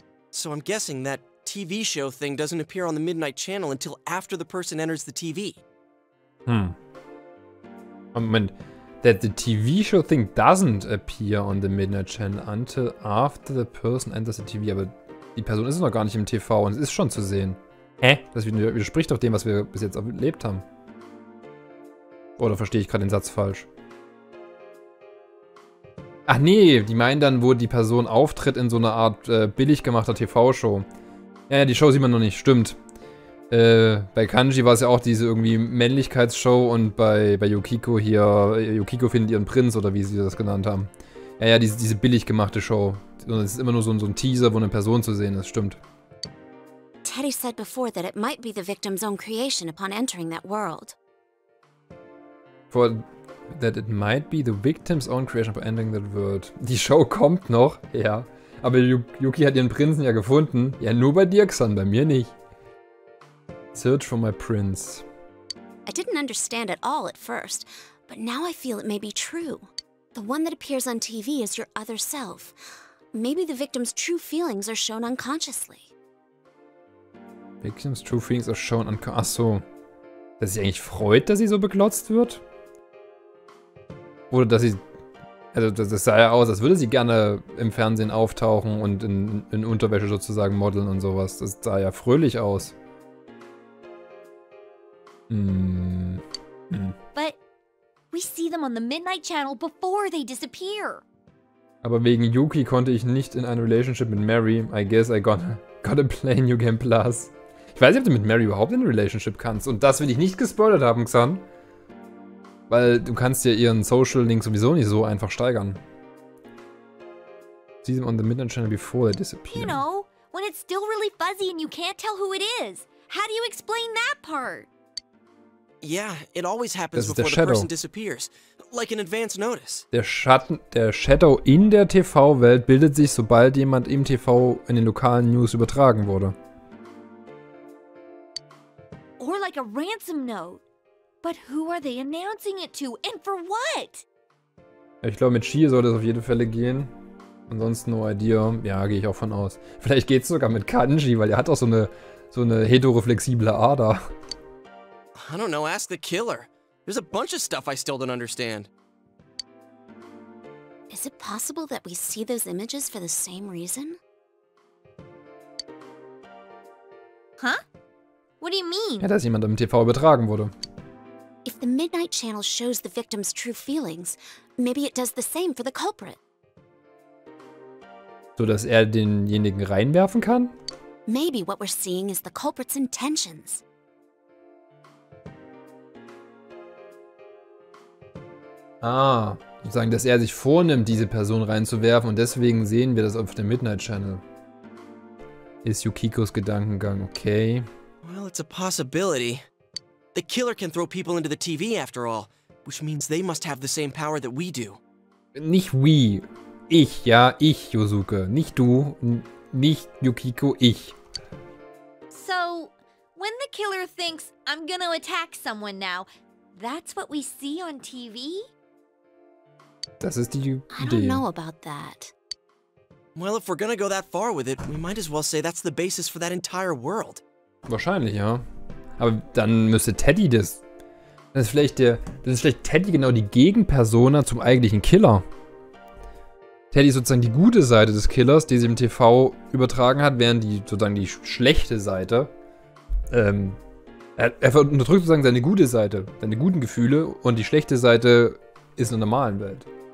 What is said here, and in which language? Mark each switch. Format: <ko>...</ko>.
<en>So I'm guessing that TV show thing doesn't appear on the Midnight Channel until after the person enters the TV. Hmm. I mean, that the TV show thing doesn't appear on the Midnight Channel until after the person enters the TV.</en> <de>Aber die Person ist noch gar nicht im TV und es ist schon zu sehen. Hä? Das widerspricht doch dem, was wir bis jetzt erlebt haben. Oder verstehe ich gerade den Satz falsch? Ach nee, die meinen dann, wo die Person auftritt in so einer Art billig gemachter TV-Show. Ja, die Show sieht man noch nicht, stimmt. Bei Kanji war es ja auch diese irgendwie Männlichkeitsshow und bei Yukiko hier, Yukiko findet ihren Prinz oder wie sie das genannt haben. Ja, diese billig gemachte Show. Es ist immer nur so ein Teaser, wo eine Person zu sehen ist, stimmt.</de> <en>Teddy said before that it might be the victim's own creation upon entering that world. For that it might be the victim's own creation upon entering that world.</en> <de>Die Show kommt noch, ja. Aber Yuki hat ihren Prinzen ja gefunden. Ja, nur bei dir, Xan, bei mir nicht.</de> <en>Search for my prince. I didn't understand at all at first, but now I feel it may be true. The one that appears on TV is your other self. Maybe the victim's true feelings are shown unconsciously. Victim's true feelings are shown unconsciously.</en> <de>Ach so. Dass sie eigentlich freut, dass sie so beglotzt wird? Oder dass sie... Also das sah ja aus, als würde sie gerne im Fernsehen auftauchen und in Unterwäsche sozusagen modeln und sowas. Das sah ja fröhlich aus.</de> <en>But we see them on the Midnight Channel before they disappear.</en> <de>Aber wegen Yuki konnte ich nicht in eine Relationship mit Mary.</de> <en>I guess I gotta play New Game Plus.</en> <de>Ich weiß nicht, ob du mit Mary überhaupt in eine Relationship kannst. Und das will ich nicht gespoilert haben, Xan. Weil du kannst ja ihren Social Link sowieso nicht so einfach steigern.</de> <en>See them on the Midnight Channel before they disappear. You know, when it's still really fuzzy and you can't tell who it is. How do you explain that part? Yeah, it always happens before the person disappears, like an advance notice.</en> <de>Der Shadow in der TV-Welt bildet sich, sobald jemand im TV in den lokalen News übertragen wurde.</de> <en>Or like a ransom note. But who are they announcing it to and for what?</en> <de>Ich glaube, mit Shie sollte es auf jeden Fall gehen. Ansonsten</de> <en>no idea.</en> <de>Ja, gehe ich auch von aus. Vielleicht geht's sogar mit Kanji, weil er hat auch so eine heteroflexible Ader.</de> <en>I don't know, ask the killer. There's a bunch of stuff I still don't understand. Is it possible that we see those images for the same reason? Huh? What do you mean?</en> <de>Ja, dass jemand im TV übertragen wurde.</de> <en>If the Midnight Channel shows the victim's true feelings, maybe it does the same for the culprit.</en> <de>So dass er denjenigen reinwerfen kann?</de> <en>Maybe what we're seeing is the culprit's intentions.</en> <de>Ah, sozusagen, dass er sich vornimmt, diese Person reinzuwerfen und deswegen sehen wir das auf dem Midnight Channel. Ist Yukikos Gedankengang okay?</de> <en>Well, it's a possibility. The killer can throw people into the TV after all, which means they must have the same power that we do.</en> <de>Nicht we. Ich, ja, ich, Yosuke. Nicht du, nicht Yukiko, ich.</de> <en>So, when the killer thinks, I'm gonna attack someone now, that's what we see on TV?</en> <de>Das ist die Idee.</de> <en>I don't know about that. Well, if we're gonna go that far with it, we might as well say that's the basis for that entire world.</en> <de>Wahrscheinlich, ja. Aber dann müsste Teddy das... Dann ist vielleicht Teddy genau die Gegenpersona zum eigentlichen Killer. Teddy ist sozusagen die gute Seite des Killers, die sie im TV übertragen hat, während die sozusagen die schlechte Seite... Er unterdrückt sozusagen seine gute Seite, seine guten Gefühle, und die schlechte Seite ist in der normalen Welt.</de>